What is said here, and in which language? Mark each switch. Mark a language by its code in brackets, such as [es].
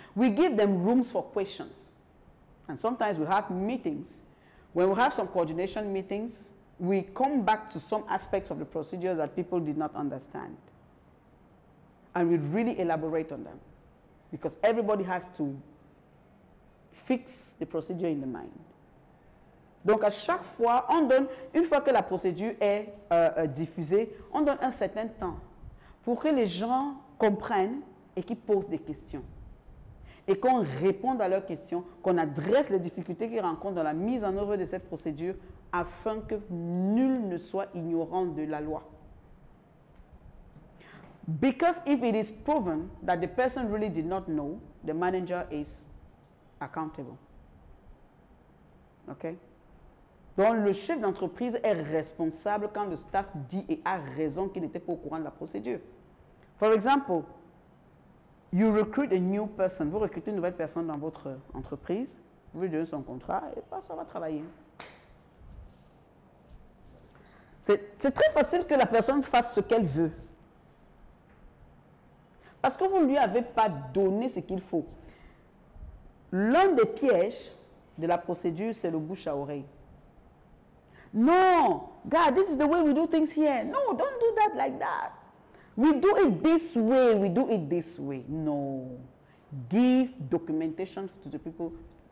[en] We give them rooms for questions. And sometimes we have meetings. When we have some coordination meetings, we come back to some aspects of the procedures that people did not understand. And we really elaborate on them. Because everybody has to fix the procedure in the mind. [fr] Donc à chaque fois, on donne, une fois que la procédure est diffusée, on donne un certain temps pour que les gens comprennent et qu'ils posent des questions. Et qu'on réponde à leurs questions, qu'on adresse les difficultés qu'ils rencontrent dans la mise en œuvre de cette procédure afin que nul ne soit ignorant de la loi. [en] Because if it is proven that the person really did not know, the manager is accountable. Okay? [fr] Donc le chef d'entreprise est responsable quand le staff dit et a raison qu'il n'était pas au courant de la procédure. [en] For example, you recruit a new person. [fr] Vous recrutez une nouvelle personne dans votre entreprise. Vous lui donnez son contrat et pas ça va travailler. C'est très facile que la personne fasse ce qu'elle veut. Parce que vous ne lui avez pas donné ce qu'il faut. L'un des pièges de la procédure, c'est le bouche à oreille. [en] Non, God, this is the way we do things here. No, don't do that like that. We do it this way, we do it this way. No. Give documentation to the people,